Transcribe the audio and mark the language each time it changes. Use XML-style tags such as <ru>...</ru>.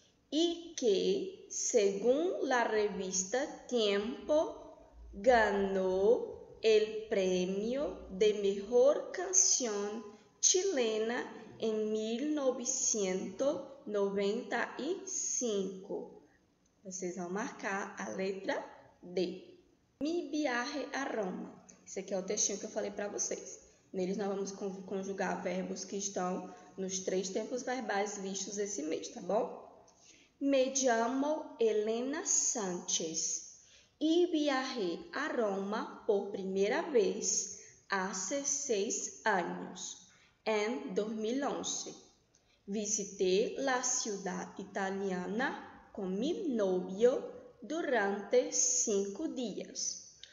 <es>y que, según la revista Tiempo, ganó el premio de mejor canción chilena en 1995.</es> <pt>Vocês vão marcar a letra D.</pt> <es>Mi viaje a Roma.</es> <pt>Esse aqui é o textinho que eu falei para vocês. Neles nós vamos conjugar verbos que estão nos três tempos verbais vistos esse mês, tá bom?</pt> <es>Me llamo Elena Sánchez y viajé a Roma por primera vez hace 6 años. En 2011, visité la ciudad italiana con mi novio durante 5 días.</es>